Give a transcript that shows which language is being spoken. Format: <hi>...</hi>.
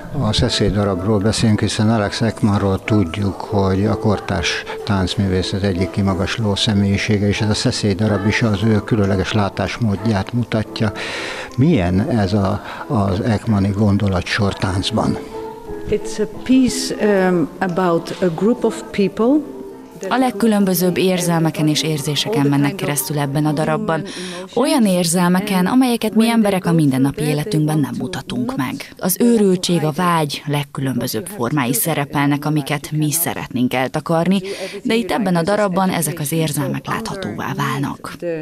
<hu>A Szeszély darabról beszélünk, hiszen Alex Ekmanról tudjuk, hogy a kortárs táncművészet egyik kimagasló személyisége, és ez a Szeszély darab is az ő különleges látásmódját mutatja. Milyen ez az Ekmani gondolatsor táncban?</hu> <en>It's a piece about a group of people.</en> <hu>A legkülönbözőbb érzelmeken és érzéseken mennek keresztül ebben a darabban. Olyan érzelmeken, amelyeket mi emberek a mindennapi életünkben nem mutatunk meg. Az őrültség, a vágy legkülönbözőbb formái szerepelnek, amiket mi szeretnénk eltakarni, de itt ebben a darabban ezek az érzelmek láthatóvá válnak.</hu>